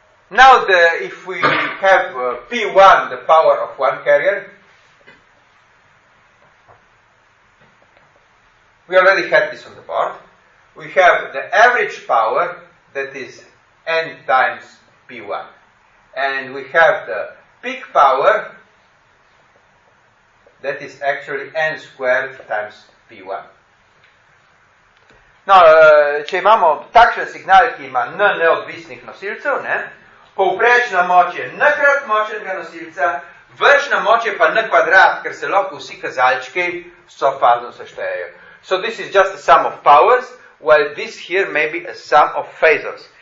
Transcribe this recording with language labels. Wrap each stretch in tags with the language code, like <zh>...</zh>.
<en>Now, if we have P1, the power of one carrier, we already had this on the board, we have the average power, that is N times P1. And we have the peak power, that is actually N squared times P1.</en> <sl>No, če imamo takšen signal, ki ima n neodvisnih nosilcev, ne, povprečna moč je n krat močnega nosilca, vršna moč je pa n kvadrat, ker se lahko vsi kazalčki sofazno seštejejo.</sl> <en>So this is just a sum of powers, while this here may be a sum of phasors.</en>